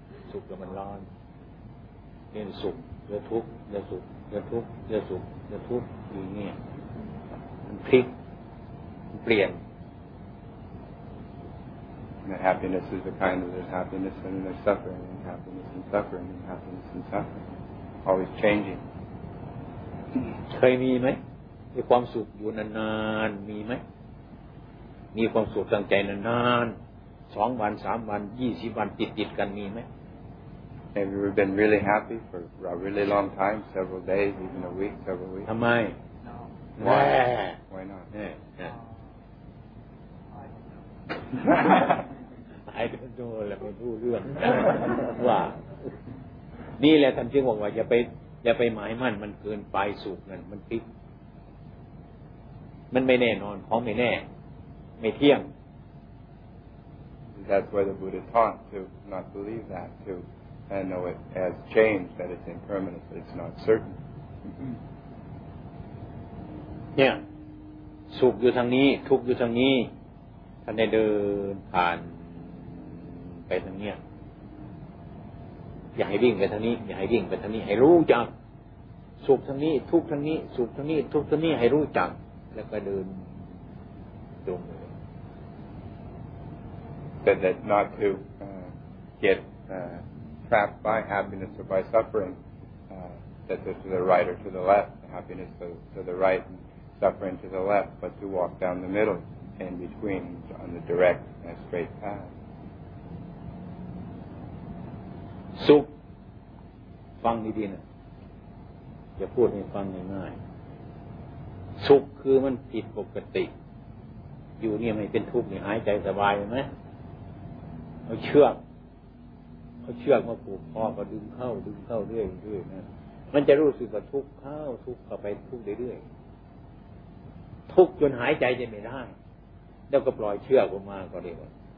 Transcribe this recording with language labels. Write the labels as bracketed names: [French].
[Thai] สุขกับมันร้อนเนี่ยสุขเนี่ยทุกข์เนี่ยสุขเนี่ยทุกข์เนี่ยสุขเนี่ยทุกข์อยู่เนี่ยมันพลิกมันเปลี่ยน [English] And happiness is the kind of there's happiness and there's suffering and happiness and suffering and happiness and suffering always changing [Thai] เคยมีไหมมีความสุขอยู่นานๆมีไหมมีความสุขทางใจนานๆ2วัน3วัน20วันติดๆกันมีมั้ย [English] Have you ever been really happy for a really long time, several days, even a week, several weeks? [Thai] ทำไม [English] No. Why? Yeah. Why not? Yeah. I don't know. I don't know. [Thai] ไม่รู้เรื่องว่านี่แหละท่านจึงบอกว่าอย่าไปหมายมั่นมันเกินไปสุขนั่นมันพลิกมันไม่แน่นอนของไม่แน่ไม่เที่ยง [English] That's why the Buddha taught to not believe that, to know it as change, that it's impermanent, that it's not certain. [Thai] เนี่ยสุขอยู่ทางนี้ทุกข์อยู่ทางนี้ท่านได้เดินผ่านไปทางเนี้ยอย่าให้วิ่งไปทางนี้อย่าให้วิ่งไปทางนี้ให้รู้จักสุขทางนี้ทุกข์ทางนี้สุขทางนี้ทุกข์ทางนี้ให้รู้จักแล้วก็เดินตรง [English] Said that not to get trapped by happiness or by suffering, that to the right or to the left, happiness to the right and suffering to the left, but to walk down the middle in between on the direct and straight path. [Thai] สุข ฟังดีๆนะ อย่าพูดให้ฟังง่ายๆ สุขคือมันผิดปกติ อยู่เนี่ยไม่เป็นทุกข์นี่หายใจสบายไหมเขาเชือกเขาเชือกมาผูกคอก็ดึงเข้าดึงเข้าเรื่อยๆนะมันจะรู้สึกว่าทุกข์เข้าทุกข์เข้าไปทุกข์เรื่อยๆทุกข์จนหายใจจะไม่ได้แล้วก็ปล่อยเชือกออกมาก็เรียกว่า